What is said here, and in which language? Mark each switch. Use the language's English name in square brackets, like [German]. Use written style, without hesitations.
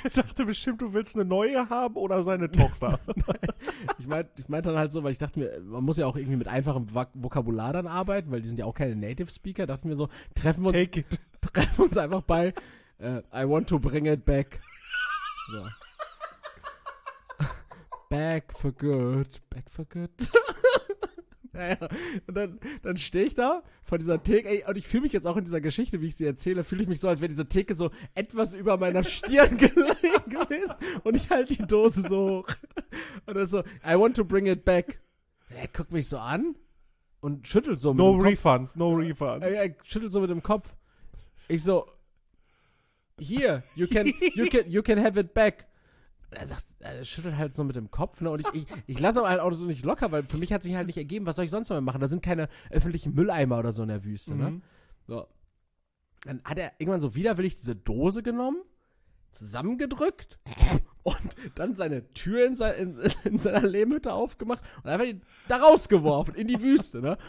[German] Ich dachte bestimmt, du willst eine neue haben oder seine Tochter. ich meinte dann halt so, weil ich dachte mir, man muss ja auch irgendwie mit einfachem Vokabular dann arbeiten, weil die sind ja auch keine Native Speaker. Dachte mir so, treffen wir uns einfach bei [English] I want to bring it back. [German] So. [English] Back for good, back for good. [German] Naja, und dann stehe ich da vor dieser Theke, ey, und ich fühle mich jetzt auch in dieser Geschichte, wie ich sie erzähle, fühle ich mich so, als wäre diese Theke so etwas über meiner Stirn gelegen gewesen und ich halte die Dose so hoch und er so, [English] I want to bring it back. [German] Er guckt mich so an und schüttelt so mit dem Kopf. [English] No refunds. [German] Er schüttelt so mit dem Kopf. Ich so, [English] here, you can have it back. [German] Er schüttelt halt so mit dem Kopf, ne? Und ich lasse aber halt auch so nicht locker, weil für mich hat sich halt nicht ergeben, was soll ich sonst noch machen? Da sind keine öffentlichen Mülleimer oder so in der Wüste, ne? So. Dann hat er irgendwann so widerwillig diese Dose genommen, zusammengedrückt und dann seine Tür in seiner Lehmhütte aufgemacht und einfach ihn da rausgeworfen, in die Wüste, ne?